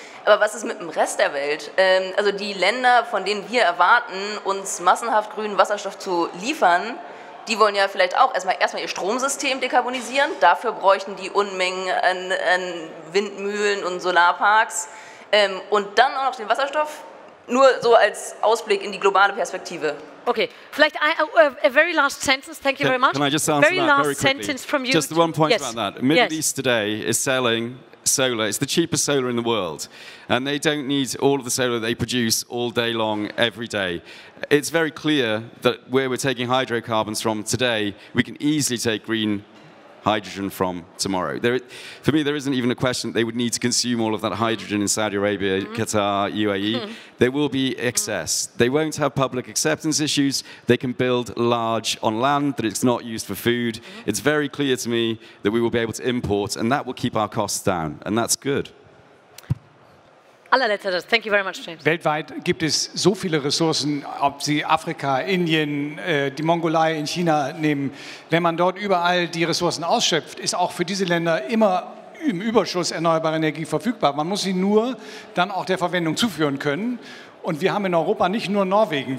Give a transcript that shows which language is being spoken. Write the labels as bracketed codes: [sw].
[de] Aber was ist mit dem Rest der Welt? Also die Länder, von denen wir erwarten, uns massenhaft grünen Wasserstoff zu liefern, die wollen ja vielleicht auch erstmal ihr Stromsystem dekarbonisieren. Dafür bräuchten die Unmengen an Windmühlen und Solarparks. Und dann auch noch den Wasserstoff, nur so als Ausblick in die globale Perspektive. [en] Okay, [de] vielleicht [en] a very last sentence, thank you very much. Can I just answer very that last very quickly. Sentence from you? Just the one point about that. Middle East today is selling solar. It's the cheapest solar in the world. And they don't need all of the solar they produce all day long, every day. It's very clear that where we're taking hydrocarbons from today, we can easily take green hydrogen from tomorrow. For me, there isn't even a question that they would need to consume all of that hydrogen in Saudi Arabia, Qatar, UAE. There will be excess. They won't have public acceptance issues. They can build large on land that it's not used for food. It's very clear to me that we will be able to import, and that will keep our costs down, and that's good. Thank you very much, James. [de] Weltweit gibt es so viele Ressourcen, ob Sie Afrika, Indien, die Mongolei in China nehmen. Wenn man dort überall die Ressourcen ausschöpft, ist auch für diese Länder immer im Überschuss erneuerbare Energie verfügbar. Man muss sie nur dann auch der Verwendung zuführen können. Und wir haben in Europa nicht nur Norwegen.